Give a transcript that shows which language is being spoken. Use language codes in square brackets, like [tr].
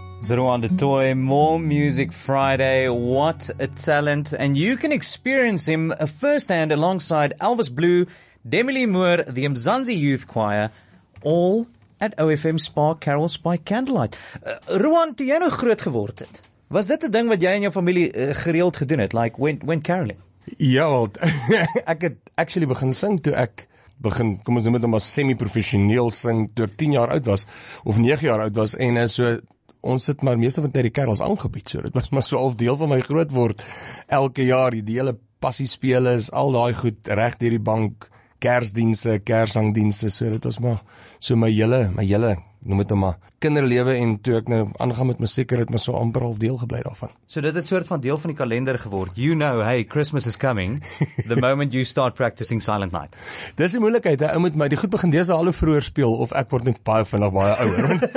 [en] Ruan de Toy, More Music Friday. What a talent. And you can experience him firsthand alongside Elvis Blue, Demi Lee Moore, the Mzansi Youth Choir, all at OFM Spa Carols by Candlelight. [af] Ruan, toe jy nou groot geword het, was dit 'n ding wat jy en jou familie gereeld gedoen het, [en] like when caroling? [af] Ja, wel, ek het actually begin sing toe ek begin, kom ons noem dit maar semi-professioneel sing, toe ek 10 jaar oud was, of 9 jaar oud was, en so ons het maar meeste van die kerels aangebied, so dit was maar so half deel van my groot word, elke jaar, die hele passiespele is al daai goed, reg deur die bank, kersdienste, kersangdienste, so dit was maar, so my hele noem dit maar kinderlewe en toe ek nou aangaan met musiek het my so amper al deel gebly daarvan. So dit het soort van deel van die kalender geword. [en] You know, hey, Christmas is coming the moment you start practicing Silent Night. [af] Dis die moeilikheid, ek moet my die goed begin dese al hoe vroeër speel of ek word net baie vinnig baie ouer.